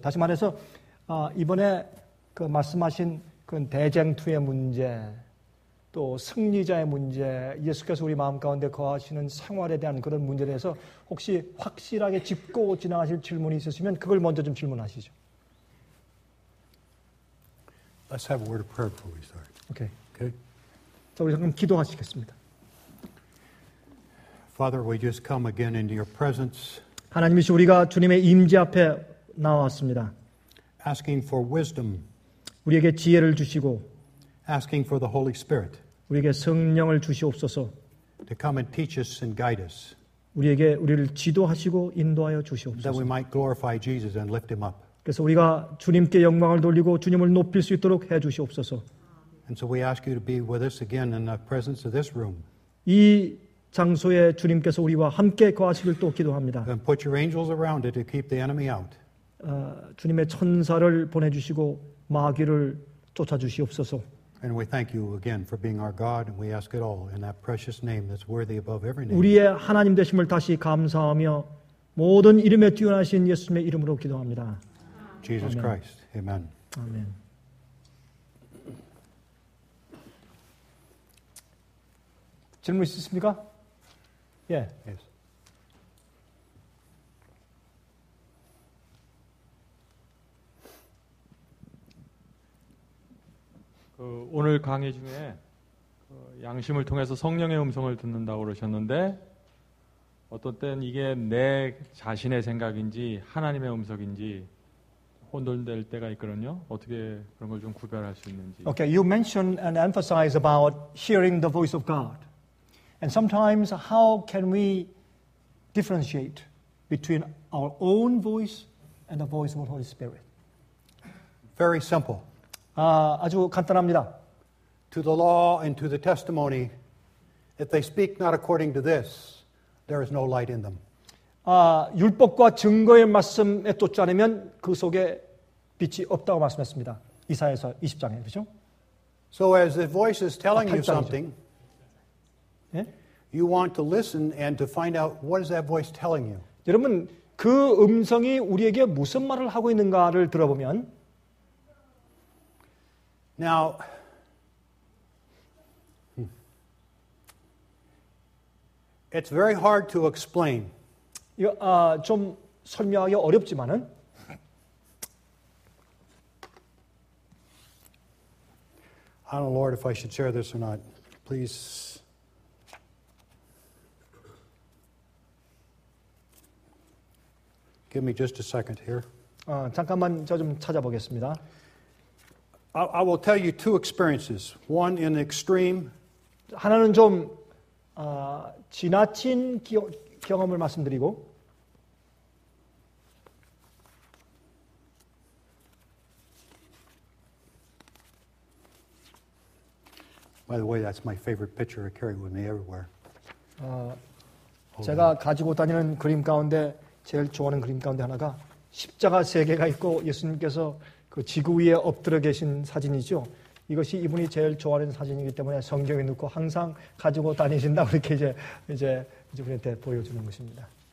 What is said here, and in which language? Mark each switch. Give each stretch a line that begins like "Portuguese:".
Korean: 다시 말해서 이번에 그 말씀하신 그 대쟁투의 문제 또 승리자의 문제 예수께서 우리 마음 가운데 거하시는 생활에 대한 그런 문제에 대해서 혹시 확실하게 짚고 지나가실 질문이 있으시면 그걸 먼저 좀 질문하시죠.
English: Let's have a word of prayer before we start. Okay. Okay.
Korean: 자, 우리 잠깐 기도하시겠습니다.
English: Father, we just come again into your presence.
Korean: 하나님이시 우리가 주님의 임재 앞에 나왔습니다.
English: Asking for wisdom.
Korean: 우리에게 지혜를 주시고
English: Asking for the Holy Spirit.
Korean: 우리에게 성령을 주시옵소서.
English: To come and teach us and guide us.
Korean: 우리에게 우리를 지도하시고 인도하여 주시옵소서.
English: That we might glorify Jesus and lift him up.
Korean: 그래서 우리가 주님께 영광을 돌리고 주님을 높일 수 있도록 해 주시옵소서.
English: And so we ask you to be with us again in the presence of this room.
Korean: 이 장소에 주님께서 우리와 함께 거하시길 또 기도합니다.
English: And put your angels around it to keep the enemy out.
Korean: 주님의 천사를 보내 주시고 마귀를 쫓아 주시옵소서.
English: And we thank you again for being our God and we ask it all in that precious name that's worthy above every name.
Korean: 우리의 하나님 되심을 다시 감사하며 모든 이름에 뛰어나신 예수님의 이름으로 기도합니다.
English: Jesus Christ. Amen. Amen. Amen.
Korean: 질문 있으십니까? 예.
English: Yes. Today's
Korean: 강의 중에 양심을 통해서 성령의 음성을 듣는다고 그러셨는데 어떤 때는 이게 내 자신의 생각인지 하나님의 음성인지 혼돈될 때가 있거든요. 어떻게 그런 걸 좀 구별할 수 있는지.
English: Okay, you mentioned and emphasize about hearing the voice of God. And sometimes how can we differentiate between our own voice and the voice of the Holy Spirit? Very simple.
Korean: 아주 간단합니다.
English: To the law and to the testimony, if they speak not according to this, there is no light in them.
Korean: 율법과 증거의 말씀에 쫓지 않으면 그 속에 빛이 없다고 말씀했습니다. 이사야서 20장에, 그렇죠?
English: So as the voice is telling you something, you want to listen and to find out what is that voice telling you.
Korean: 여러분, 그 음성이 우리에게 무슨 말을 하고 있는가를 들어보면
English: Now, it's very hard to explain.
Korean: 이거 좀 설명하기 어렵지만은.
English: I don't know, Lord, if I should share this or not. Please. Give me just a second here.
Korean: 잠깐만 저 좀 찾아보겠습니다.
English: I will tell you two experiences. One in the extreme.
Korean: 하나는 좀 지나친 경험을 말씀드리고.
English: By the way, that's my favorite picture I carry with me everywhere.
Korean: 제가 가지고 다니는 그림 가운데 제일 좋아하는 그림 가운데 하나가 십자가 세 개가 있고 예수님께서 그 지구 위에 엎드려 계신 사진이죠. 이것이 이분이 제일 좋아하는 사진이기 때문에 성경에 넣고 항상 가지고 다니신다 그렇게 이제 우리한테 보여주는 것입니다.